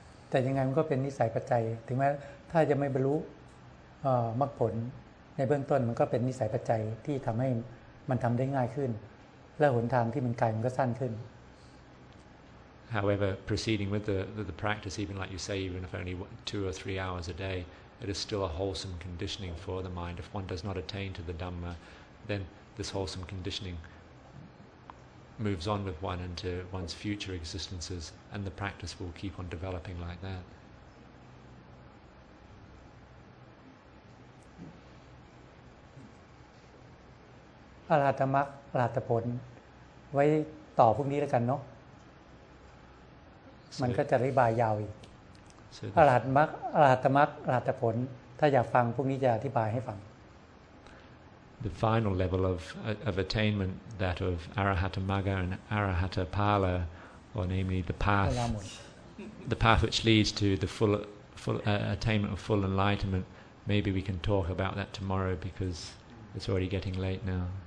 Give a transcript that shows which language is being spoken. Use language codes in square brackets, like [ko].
[th] แต่ยังไงมันก็เป็นนิสัยปัจจัยถึงแม้ถ้าจะไม่บรรลุมรรคผลในเบื้องต้นมันก็เป็นนิสัยปัจจัยที่ทำให้มันทำได้ง่ายขึ้นและหนทางที่มันไกลมันก็สั้นขึ้น [en] However, proceeding with the practice, even like you say, even if only 2 or 3 hours a day, it is still a wholesome conditioning for the mind. If one does not attain to the Dhamma, then this wholesome conditioningmoves on with one into one's future existences, and the practice will keep on developing like that. [th] อรหัตมรรคอรหัตผลไว้ต่อพรุ่งนี้แล้วกันเนาะมันก็จะอธิบายยาวอีกอรหัตมรรคอรหัตมรรคอรหัตผลถ้าอยากฟังพรุ่งนี้จะอธิบายให้ฟัง [en] The final level of attainment, that of Arahata Magga and Arahata Pala, or namely the path which leads to the full attainment of full enlightenment. Maybe we can talk about that tomorrow because it's already getting late now.